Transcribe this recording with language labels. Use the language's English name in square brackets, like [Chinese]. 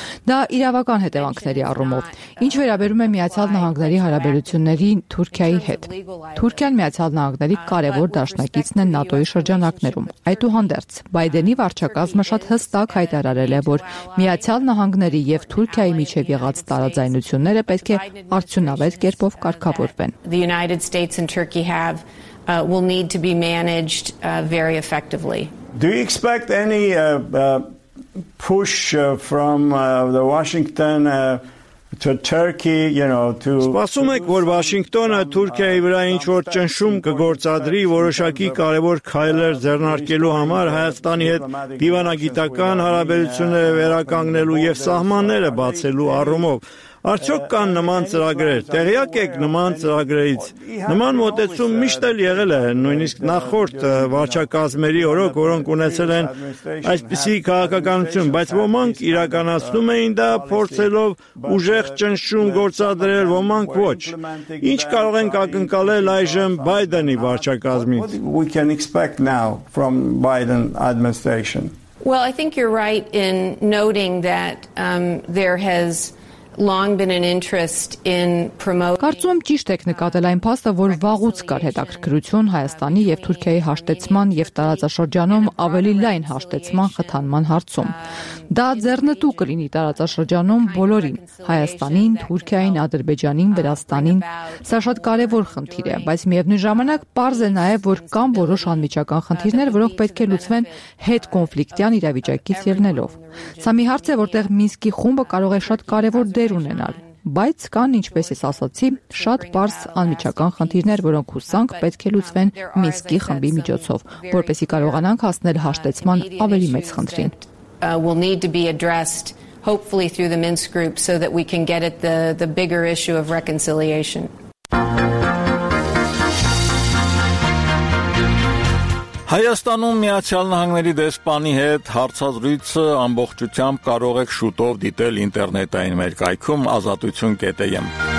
[Armenian] Դա իրավական հետևանքների առումով։ Ինչ վերաբերում է Միացյալ Նահանգների հարաբերությունների Թուրքիայի հետ, Թուրքիան Միացյալ Նահանգների կարևոր դաշնակիցն է ՆԱՏՕ-ի շրջանակներում։ Այդուհանդերձ Բայդենի վարչակազմը շատ հստակ հայտարարել է, որ Միացյալ Նահանգների եւ Թուրքիայի միջև եղած տարաձայնությունները պետք է արդյունավետ կերպով կարգավորվեն։ [English] The United States and Turkey have will need to be managed very effectively. Do you expect any push from the Washington to Turkey, you know, to [Armenian] Սպասում եք, որ Վաշինգտոնը Թուրքիայի վրա ինչ-որ ճնշում կգործադրի որոշակի կարևոր քայլեր ձեռնարկելու համար Հայաստանի հետ դիվանագիտական հարաբերությունները վերականգնելու եւ սահմանները բացելու առումով։ Արդյոք կան նման ծրագրեր։ Տեղյակ եք նման ծրագրերից։ Նման մոտեցում միշտ էլ եղել է, նույնիսկ նախորդ վարչակազմերի օրոք, որոնք ունեցել են այսպիսի քաղաքականություն, բայց ոմանք իրականացնում էին դա փորձելով ուժեղ ճնշում գործադրել, ոմանք ոչ։ Ինչ կարող ենք ակնկալել այժմ Բայդենի վարչակազմից։ [English] Well, I think you're right in noting that there has long been an interest in promoting [Armenian] Կարծում եմ ճիշտ եք նկատել այն փաստը, որ վաղուց կար հետաքրքրություն Հայաստանի եւ Թուրքիայի հաշտեցման եւ տարածաշրջանում ավելի լայն հաշտեցման խթանման հարցում։ Դա ձեռնտու կլինի տարածաշրջանում բոլորին՝ Հայաստանին, Թուրքիային, Ադրբեջանին, Վրաստանին։ Սա շատ կարեւոր խնդիր է, բայց միևնույն ժամանակ պարզ է նաեւ, որ կան որոշ անմիջական խնդիրներ, որոնք պետք է լուծվեն հետ կոնֆլիկտյան իրավիճակից ելնելով։ Սա մի հարց է, որտեղ Մինսկի խումբը կարող է շատ կարևոր դեր ունենալ, բայց կան, ինչպես ես ասացի, շատ պարզ անմիջական խնդիրներ, որոնք հուսանք պետք է լուծվեն Մինսկի խմբի միջոցով, որպեսզի կարողանանք հասնել հաշտեցման ավելի մեծ խնդրին։ [English] Will need to be addressed hopefully through the Minsk group so that we can get at the bigger issue of reconciliation. [Armenian] Հայաստանում Միացյալ Նահանգների դեսպանի հետ հարցազրույցը ամբողջությամբ կարող եք շուտով դիտել ինտերնետային մեր կայքում azatutyun.am։